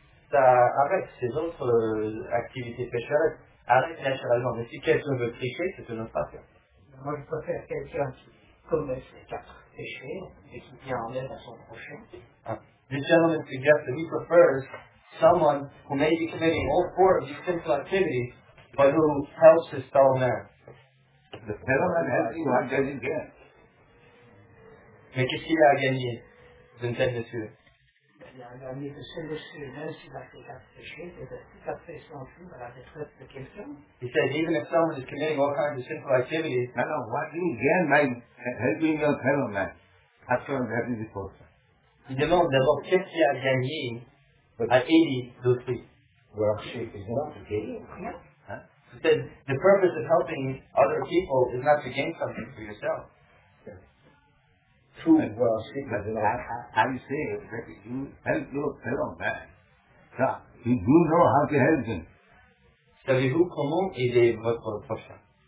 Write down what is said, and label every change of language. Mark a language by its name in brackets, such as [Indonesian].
[French] ça arrête ces autres activités pécheresses, arrête naturellement. Mais si quelqu'un veut tricher, c'est une autre affaire. Moi, je préfère quelqu'un qui commet ces quatre péchés et qui vient en aide à son prochain. [English] The gentleman suggests that he prefers someone who may be committing all four of these sinful activities, but who helps his fellow man. The fellow man has to what does he get? [French] Mais qu'est-ce qu'il a à gagner d'une telle nature? Il a gagné de ce monsieur, même s'il a fait quatre péchés, et de tout à fait sans tout à la retraite de quelqu'un. [English] He said, even if someone is committing all kinds of sinful activities, no, no, what do you gain by helping your fellow man? After all, that is the question. [French] Il demande d'abord qu'est-ce qu'il a gagné à aider d'autrui. [English] Worship is not to gain. He said, the purpose of helping other people is not to gain something for yourself. [French] Savez-vous comment aider votre prochain?